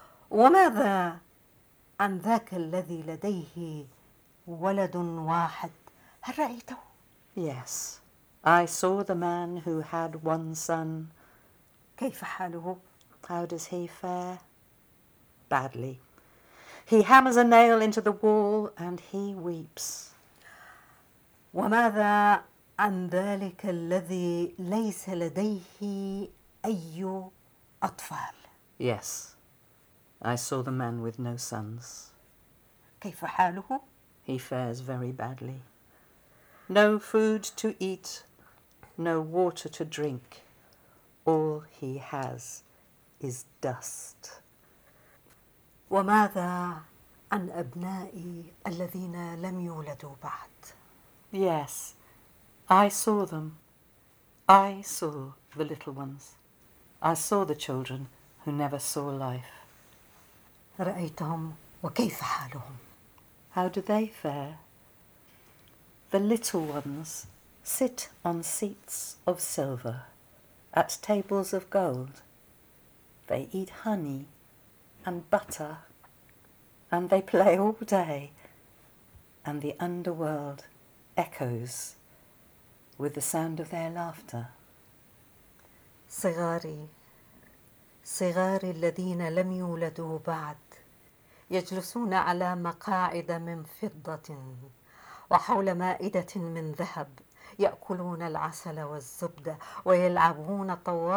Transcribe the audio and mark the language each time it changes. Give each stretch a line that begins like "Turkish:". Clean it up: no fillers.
Arabic: وماذا عن ذاك الذي لديه ولد واحد؟ هل رأيته؟
English: Yes. I saw the man who had one son.
Arabic: كيف حاله؟
English: How does he fare? Badly. He hammers a nail into the wall and he weeps.
Arabic: وماذا عن ذلك الذي ليس لديه أي أطفال؟
English: Yes, I saw the man with no sons.
Arabic: كيف حاله؟
English: He fares very badly. No food to eat, no water to drink. All he has is dust.
Arabic: وماذا عن أبنائي الذين لم يولدوا بعد؟
English: Yes, I saw them. I saw the little ones. I saw the children who never saw life.
Arabic: رأيتهم وكيف حالهم؟
English: How do they fare? The little ones sit on seats of silver, at tables of gold. They eat honey and butter. And they play all day, and the underworld echoes with the sound of their laughter.
Arabic: صغاري، صغاري الذين لم يولدوا بعد، يجلسون على مقاعد من فضة وحول مائدة من ذهب، يأكلون العسل والزبدة ويلعبون طوال اليوم. صدى ضحكاتهم